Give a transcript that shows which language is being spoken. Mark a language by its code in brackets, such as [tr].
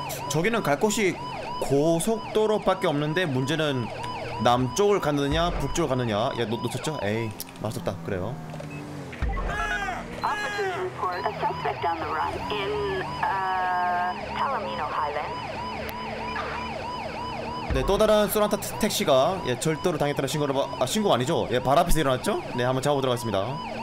[ko] 저기는 갈 곳이 고속도로밖에 없는데 문제는 남쪽을 가느냐 북쪽을 가느냐. 야, 놓쳤죠? 에이, 맞았다. 그래요. 네! [en] report a suspect on the run in, Palomino Highlands. [ko] 네, 또 다른 소란타 택시가 예, 절도를 당했다는 신고를 신고 아니죠? 예, 발 앞에서 일어났죠? 네, 한번 잡아보도록 하겠습니다.